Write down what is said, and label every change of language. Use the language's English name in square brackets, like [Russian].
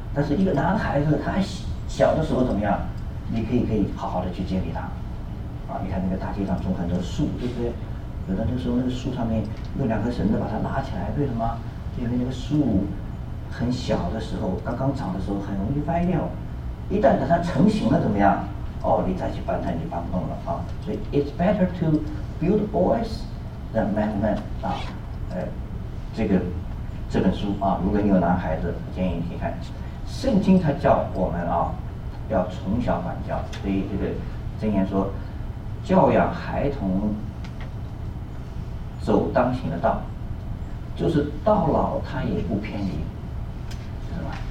[Chinese] 但是一个男孩子他小的时候怎么样，你可以好好的去建立他啊。你看那个大街上种很多树，对不对？有的那时候那个树上面用两个绳子把它拉起来，为什么？因为那个树很小的时候，刚刚长的时候很容易歪掉，一旦等它成型了怎么样？哦，你再去搬它你搬不动了啊。所以 [English] it's better to build boys than men men [Chinese] 啊。这本书啊，如果你有男孩子，建议你可以看。圣经它叫我们啊，要从小管教。所以这个箴言说，教养孩童走当行的道，就是到老他也不偏离，是什么？